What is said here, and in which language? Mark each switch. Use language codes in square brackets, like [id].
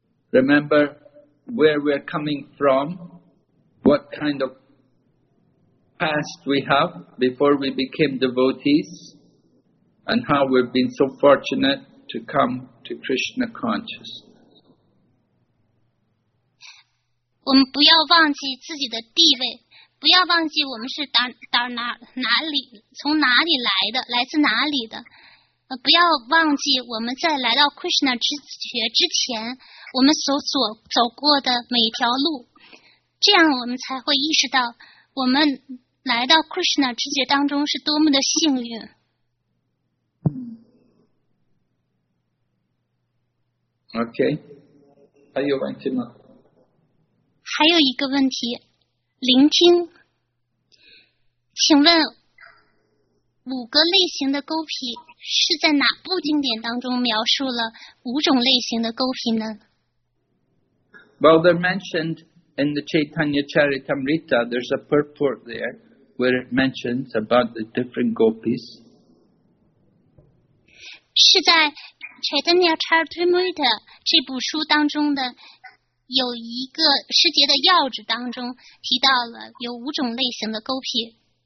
[en] Remember where we're coming from, what kind of past we have before we became devotees, and how we've been so fortunate to come to Krishna consciousness. [zh] 我们不要忘记自己的地位，不要忘记我们是哪里从哪里来的，来自哪里的。不要忘记我们在来到 Krishna 之前我们所走过的每一条路，这样我们才会意识到我们来到 Krishna 之觉当中是多么的幸运。 OK， 还有问题吗？还有一个问题，聆听，请问五个类型的勾皮是在哪部经典当中描述了五种类型的勾皮呢？ [en] Well, they're mentioned in the Chaitanya Charitamrita. There's a purport there where it mentions about the different gopis. [zh] 是在 Chaitanya Charitamrita 这部书当中的有一个师节的要旨当中提到了有五种类型的勾皮。